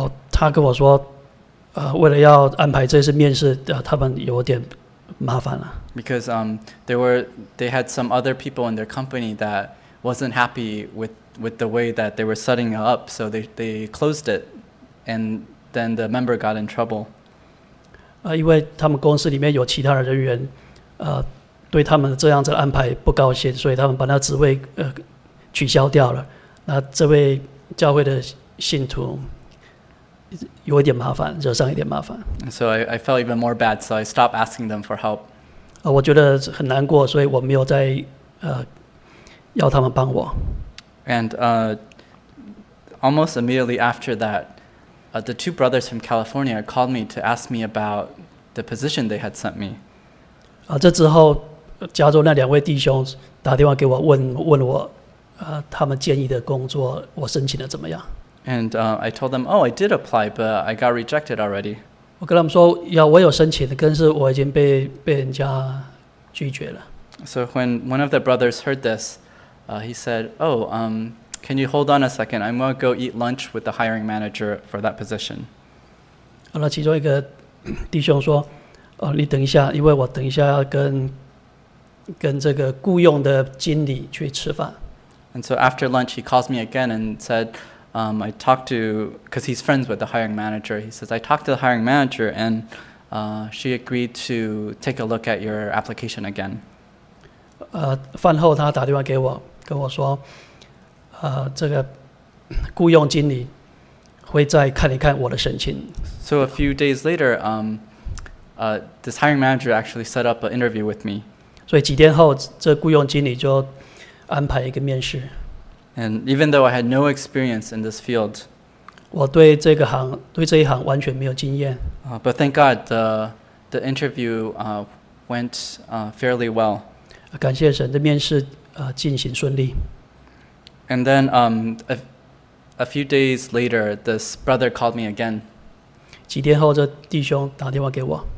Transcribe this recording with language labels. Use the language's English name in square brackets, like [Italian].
[Chinese] 他跟我说为了要安排这次面试他们有点麻烦了。 [English] Because they had some other people in their company that wasn't happy with the way that they were setting it up, so they closed it, and then the member got in trouble. [Chinese] 因为他们公司里面有其他的人员对他们这样子的安排不高兴，所以他们把那职位取消掉了。那这位教会的信徒有一点麻烦，惹上一点麻烦。 [English] So I felt even more bad, so I stopped asking them for help. [Chinese] 我觉得很难过，所以我没有再要他们帮我。 [English] And almost immediately after that,the two brothers from California called me to ask me about the position they had sent me. [Chinese] 这之后，加州那两位弟兄打电话给我，问我，他们建议的工作我申请的怎么样。 [English] And I told them, oh, I did apply, but I got rejected already. [Chinese] 我跟他们说，要我有申请的，但是我已经被人家拒绝了。 [English] So when one of the brothers heard this, he said, oh. Can you hold on a second? I'm going to go eat lunch with the hiring manager for that position. [Chinese] 那其中一个弟兄说，你等一下，因为我等一下要跟这个雇用的经理去吃饭。 [English] And so after lunch, he calls me again and said, I talked to, because he's friends with the hiring manager. He says, I talked to the hiring manager and she agreed to take a look at your application again. [Chinese] 饭后他打电话给我，跟我说，这个雇佣经理会再看一看我的申请。 [English] So a few days later, this hiring manager actually set up an interview with me. [Chinese] 所以几天后，这雇佣经理就安排一个面试。 [English] And even though I had no experience in this field, [Chinese] 我对这个行对这一行完全没有经验。 [English] But thank God, the interview went fairly well. [Chinese] 感谢神，这面试进行顺利。 [English] And then a few days later, this brother called me again. [Chinese] 几天后，这弟兄打电话给我。